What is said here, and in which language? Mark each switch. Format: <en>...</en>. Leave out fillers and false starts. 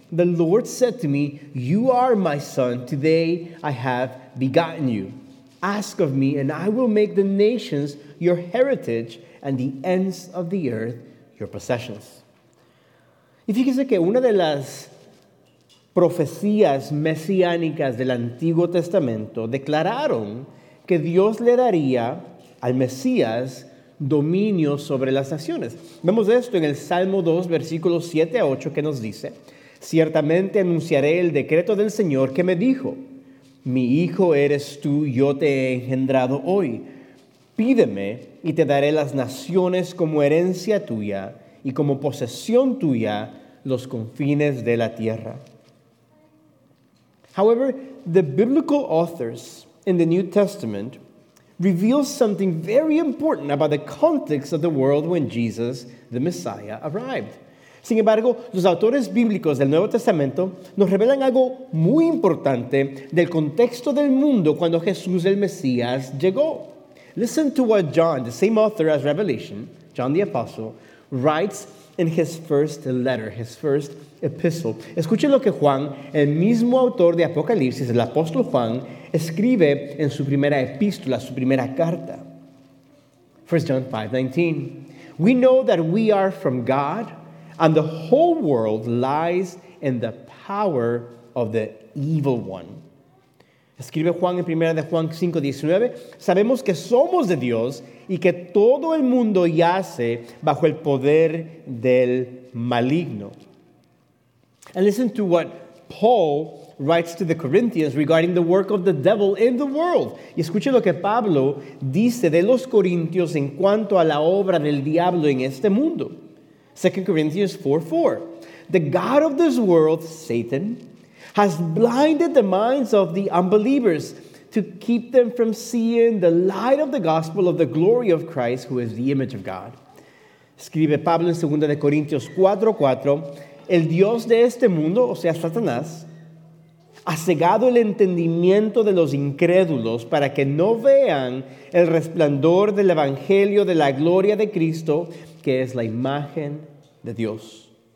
<en>The Lord said to me, 'You are my son. Today I have begotten you. Ask of me, and I will make the nations your heritage and the ends of the earth your possessions.'"</en> <es>Y fíjese que una de las profecías mesiánicas del Antiguo Testamento declararon que Dios le daría al Mesías dominio sobre las naciones. Vemos esto en el Salmo 2, versículos 7 a 8, que nos dice, "Ciertamente anunciaré el decreto del Señor que me dijo, 'Mi hijo eres tú, yo te he engendrado hoy. Pídeme y te daré las naciones como herencia tuya y como posesión tuya los confines de la tierra.'"</es> <en>However, the biblical authors in the New Testament reveal something very important about the context of the world when Jesus, the Messiah, arrived.</en> <es>Sin embargo, los autores bíblicos del Nuevo Testamento nos revelan algo muy importante del contexto del mundo cuando Jesús, el Mesías, llegó.</es> <en>Listen to what John, the same author as Revelation, John the Apostle, writes in his first letter, his first epistle.</en> <es>Escuchen lo que Juan, el mismo autor de Apocalipsis, el apóstol Juan, escribe en su primera epístola, su primera carta.</es> <en>1 John 5:19. "We know that we are from God, and the whole world lies in the power of the evil one."</en> <es>Escribe Juan en 1 Juan 5:19. "Sabemos que somos de Dios y que todo el mundo yace bajo el poder del maligno."</es> <en>And listen to what Paul writes to the Corinthians regarding the work of the devil in the world.</en> <es>Y escuche lo que Pablo dice de los corintios en cuanto a la obra del diablo en este mundo.</es> <en>2 Corinthians 4:4. "The god of this world, Satan, has blinded the minds of the unbelievers to keep them from seeing the light of the gospel of the glory of Christ, who is the image of God."</en> <es>Escribe Pablo en 2 Corintios 4:4. "El Dios de este mundo, o sea, Satanás, ha cegado el entendimiento de los incrédulos para que no vean el resplandor del evangelio de la gloria de Cristo, que es la imagen de Dios."</es>